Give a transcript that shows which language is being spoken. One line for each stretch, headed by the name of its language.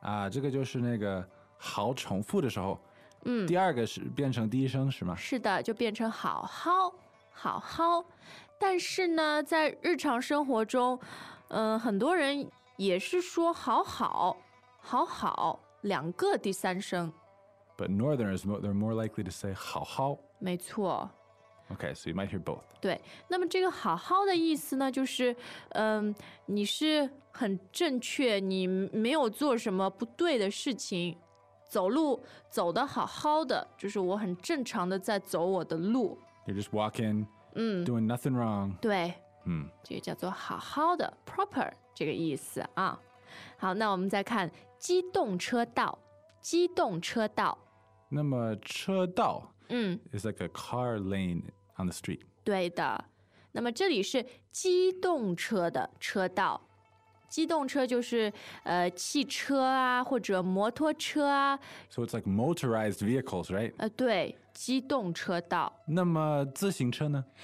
Chinese: 这个就是那个好重复的时候，第二个是变成第一声是吗？是的，就变成好好好好。但是呢，在日常生活中，很多人也是说好好好好两个第三声。
English: But Northerners they're more likely to say
Chinese: 好好。没错。
English: Okay, so you might hear both.
Chinese: 对，那么这个好好的意思呢，就是，你是很正确，你没有做什么不对的事情，走路走得好好的，就是我很正常的在走我的路。
English: You're just walking, doing nothing wrong.
Chinese: 对，这个叫做好好的 ，proper 这个意思啊。好，那我们再看机动车道，机动车道。那么车道。
English: It's like a car lane on the street.
Chinese: 对的。那么这里是机动车的车道。机动车就是汽车啊或者摩托车啊。
English: So it's like motorized vehicles, right?
Chinese: 对，机动车道。那么自行车呢？